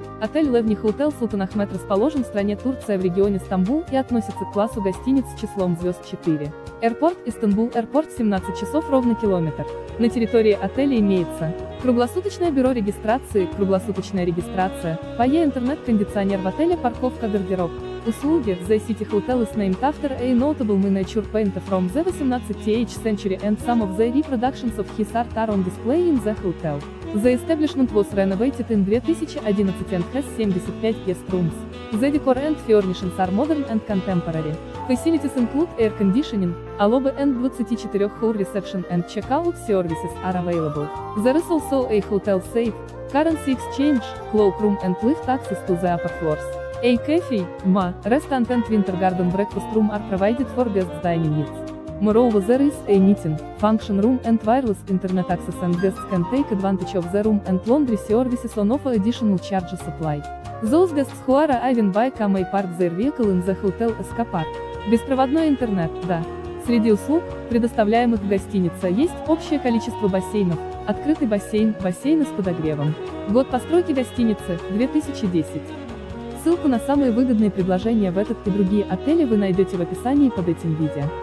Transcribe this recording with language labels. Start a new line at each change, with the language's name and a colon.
Russian: Отель Levni Hotel Sultan Ahmed расположен в стране Турция в регионе Стамбул и относится к классу гостиниц с числом звезд 4. Аэропорт Истанбул Аэропорт 17 часов ровно километр. На территории отеля имеется круглосуточное бюро регистрации, круглосуточная регистрация, фойе, интернет, кондиционер в отеле, парковка, гардероб. Услуги
English: The City Hotel is named after a notable miniature painter from the 18th century and some of the reproductions of his art are on display in the hotel. The establishment was renovated in 2011 and has 75 guest rooms. The decor and furnishings are modern and contemporary. Facilities include air conditioning, a lobby and 24-hour reception and check-out services are available. There is also a hotel safe, currency exchange, cloakroom and lift access to the upper floors. A cafe, ma, restaurant and winter garden breakfast room are provided for guests' dining needs. Moreover, there is a meeting, function room and wireless internet access and guests can take advantage of the room and laundry services on offer additional charges apply. Those guests who are arriving by car may park their vehicle in the hotel escapark.
Russian: Беспроводной интернет, да. Среди услуг, предоставляемых в гостинице, есть общее количество бассейнов, открытый бассейн, бассейны с подогревом. Год постройки гостиницы – 2010. Ссылку на самые выгодные предложения в этот и другие отели вы найдете в описании под этим видео.